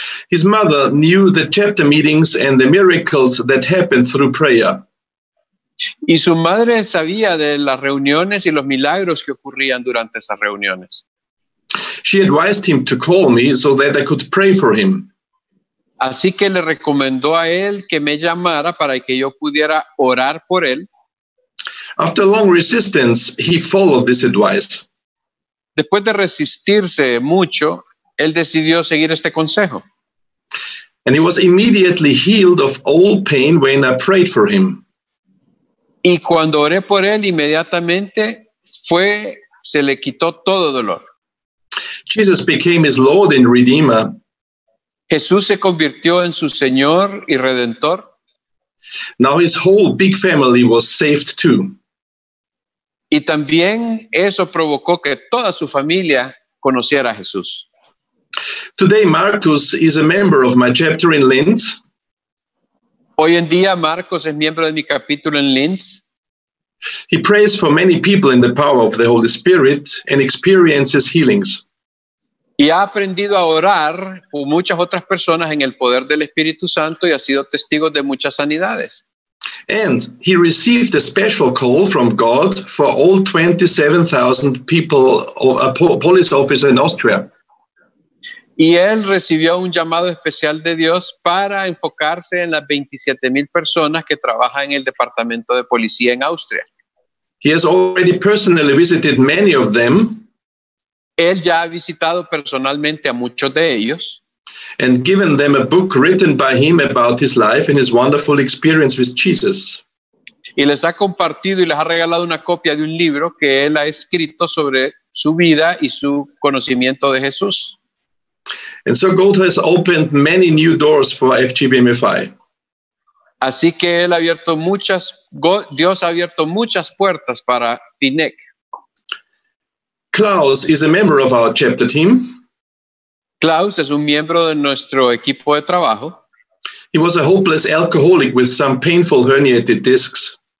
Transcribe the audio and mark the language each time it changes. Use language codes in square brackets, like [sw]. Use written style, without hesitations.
[en] His mother knew the chapter meetings and the miracles that happened through prayer. [es] Y su madre sabía de las reuniones y los milagros que ocurrían durante esas reuniones. [en] She advised him to call me so that I could pray for him. [es] Así que le recomendó a él que me llamara para que yo pudiera orar por él. [en] After long resistance, he followed this advice. [es] Después de resistirse mucho, él decidió seguir este consejo. [en] And he was immediately healed of all pain when I prayed for him. [es] Y cuando oré por él, inmediatamente se le quitó todo dolor. [en] Jesus became his Lord and Redeemer. [es] Jesús se convirtió en su Señor y Redentor. [en] Now his whole big family was saved too. [es] Y también eso provocó que toda su familia conociera a Jesús. [en] Today Marcos is a member of my chapter in Linz. [es] Hoy en día Marcos es miembro de mi capítulo en Linz. [en] He prays for many people in the power of the Holy Spirit and experiences healings. [es] Y ha aprendido a orar por muchas otras personas en el poder del Espíritu Santo y ha sido testigo de muchas sanidades. [en] And he received a special call from God for all 27,000 people or a police officer in Austria. [es] Y él recibió un llamado especial de Dios para enfocarse en las 27,000 personas que trabajan en el departamento de policía en Austria. [en] He has already personally visited many of them. [es] Él ya ha visitado personalmente a muchos de ellos. [en] And given them a book written by him about his life and his wonderful experience with Jesus. [es] Y les ha compartido y les ha regalado una copia de un libro que él ha escrito sobre su vida y su conocimiento de Jesús. [en] And so God has opened many new doors for FGBMFI. [es] Así que él ha abierto Dios ha abierto muchas puertas para FINEC. [en] Klaus is a member of our chapter team. [es] Klaus es un miembro de nuestro equipo de trabajo. [en] He was a hopeless alcoholic with some painful herniated discs.